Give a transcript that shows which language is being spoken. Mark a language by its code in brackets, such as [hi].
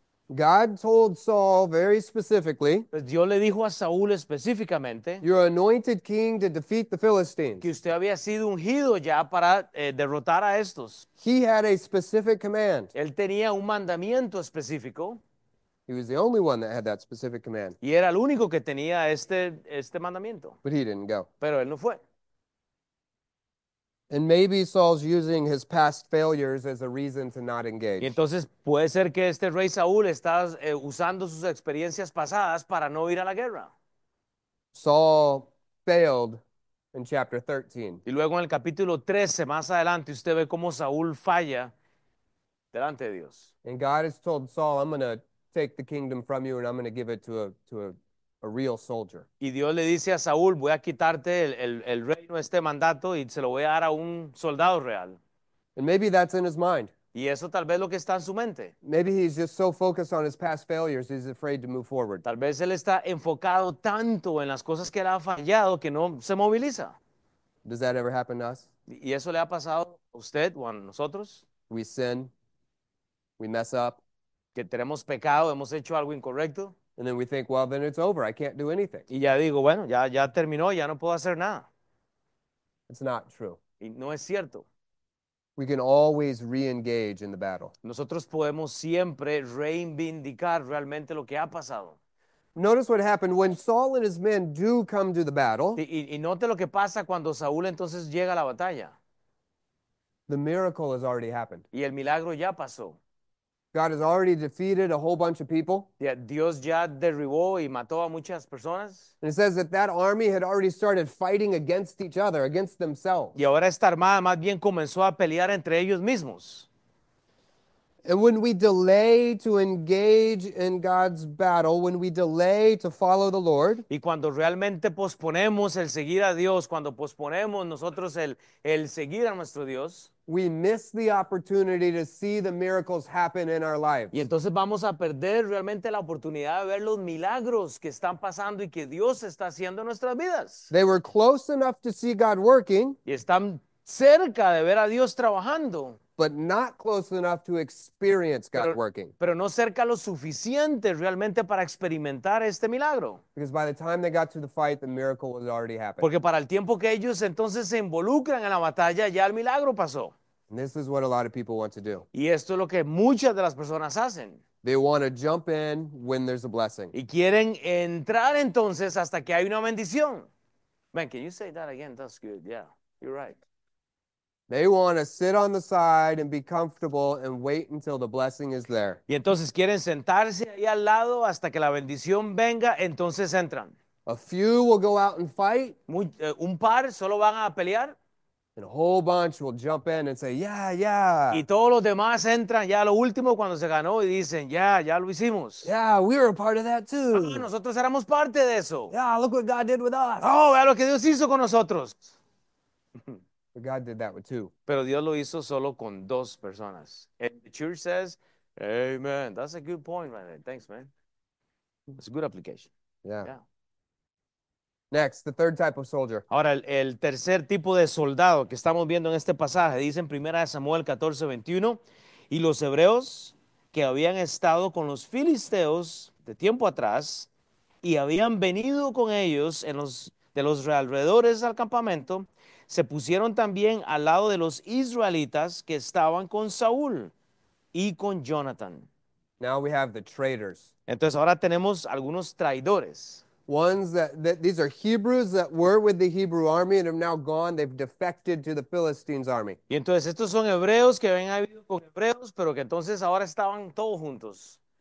[en] God told Saul very specifically, [es] Pues Dios le dijo a Saúl específicamente [en] "You're anointed king to defeat the [es] que [en] Philistines." [es] usted había sido ungido ya para derrotar a estos. [en] He had a specific command. [es] Él tenía un mandamiento específico [en] He was the only one that had that specific command. [es] y era el único que tenía este mandamiento, [en] But he didn't go. [es] pero él no fue. [en] And maybe Saul's using his past failures as a reason to not [es] Y [en] engage. [es] entonces puede ser que este rey Saúl está usando sus experiencias pasadas para no ir a la guerra. [en] Saul failed in chapter 13. [es] Y luego en el capítulo 13, más adelante, usted ve cómo Saúl falla delante de Dios. [en] And God has told Saul, I'm going to take the kingdom from you and I'm going to give it to a real soldier. [es] Y Dios le dice a Saúl, voy a quitarte el reino, este mandato, y se lo voy a dar a un soldado real. [en] And maybe that's in his mind. [es] Y eso tal vez lo que está en su mente. [en] Maybe he's just so focused on his past failures, he's afraid to move forward. [es] Tal vez él está enfocado tanto en las cosas que él ha fallado que no se moviliza. [en] Does that ever happen to us? [es] ¿Y eso le ha pasado a usted o a nosotros? [en] We sin. We mess up. [es] ¿Que tenemos pecado, hemos hecho algo incorrecto? [en] And then we think, well, then it's over. I can't do anything. [es] Y ya digo, bueno, ya terminó, ya no puedo hacer nada. [en] It's not true. [es] Y no es cierto. [en] We can always re-engage in the battle. [es] Nosotros podemos siempre reivindicar realmente lo que ha pasado. [en] Notice what happened when Saul and his men do come to the battle. [es] Y note lo que pasa cuando Saúl entonces llega a la batalla. [en] The miracle has already happened. [es] Y el milagro ya pasó. [en] God has already defeated a whole bunch of people. [es] Dios ya derribó y mató a muchas personas. [en] And it says that that army had already started fighting against each other, against themselves. [es] Y ahora esta armada más bien comenzó a pelear entre ellos mismos. [en] And when we delay to engage in God's battle, when we delay to follow the Lord, [es] y cuando realmente posponemos el seguir a Dios, cuando posponemos nosotros el seguir a nuestro Dios, [en] we miss the opportunity to see the miracles happen in our lives. [es] Y entonces vamos a perder realmente la oportunidad de ver los milagros que están pasando y que Dios está haciendo en nuestras vidas. [en] They were close enough to see God working. [es] Y están cerca de ver a Dios trabajando. [en] But not close enough to experience God working. [es] Pero no cerca lo suficiente realmente para experimentar este milagro. [en] Because by the time they got to the fight, the miracle was already happening. [es] Porque para el tiempo que ellos entonces se involucran en la batalla, ya el milagro pasó. [en] And this is what a lot of people want to do. [es] Y esto es lo que muchas de las personas hacen. [en] They want to jump in when there's a blessing. [es] Y quieren entrar entonces hasta que hay una bendición. [en] Man, can you say that again? That's good. Yeah, you're right. They want to sit on the side and be comfortable and wait until the blessing is there. [es] Y entonces quieren sentarse ahí al lado hasta que la bendición venga, entonces entran. [en] A few will go out and fight. [es] Un par solo van a pelear. [en] And a whole bunch will jump in and say, yeah, yeah. [es] Y todos los demás entran ya lo último cuando se ganó y dicen, ya, ya lo hicimos. [en] Yeah, we were a part of that too. [es] Ah, nosotros éramos parte de eso. [en] Yeah, look what God did with us. [es] Oh, vea lo que Dios hizo con nosotros. [en] But God did that with two. [es] Pero Dios lo hizo solo con dos personas. [en] And the church says, amen. That's a good point, man. Thanks, man. It's a good application. Yeah. Yeah. Next, the third type of soldier. [es] Ahora, el tercer tipo de soldado que estamos viendo en este pasaje, dice en 1 Samuel 14, 21, y los hebreos que habían estado con los filisteos de tiempo atrás y habían venido con ellos de los alrededores al campamento, se pusieron también al lado de los israelitas que estaban con Saúl y con Jonathan. [en] Now we have the traitors. [es] Entonces ahora tenemos algunos traidores. [en] Ones that these are Hebrews that were with the Hebrew army and have now gone. They've defected to the Philistines' army. [es] Y entonces estos son hebreos que habían habido con hebreos, pero que entonces ahora estaban todos juntos.